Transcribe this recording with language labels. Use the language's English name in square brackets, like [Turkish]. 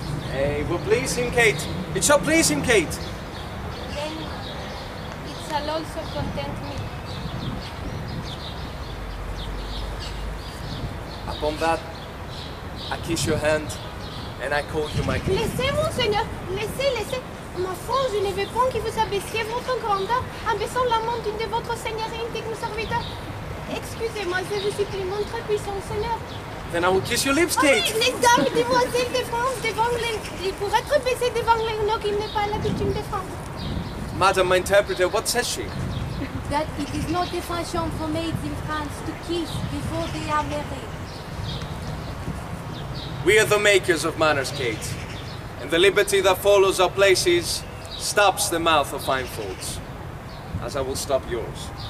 [English] Hey, it will please him, Kate. It shall please him, Kate. Then it shall also content me. Upon that, I kiss your hand, and I call you my king. [French] Laissez, monseigneur! Laissez, laissez! Ma foi, je ne veux point que vous abaissiez votre grandeur en baissant la main d'une de votre seigneurie indigne serviteur. Excusez-moi, je vous supplie, mon très puissant seigneur. [English] Then I will kiss your lips, Kate. [French] Oh, mais les dames, demoiselles de France, devant les... Ils pourraient être baissés devant les noms qui n'est pas l'habitude de France. [English] Madame, my interpreter, what says she? That it is not a fashion for maids in France to kiss before they are married. We are the makers of manners, Kate, and the liberty that follows our places stops the mouth of fine faults, as I will stop yours.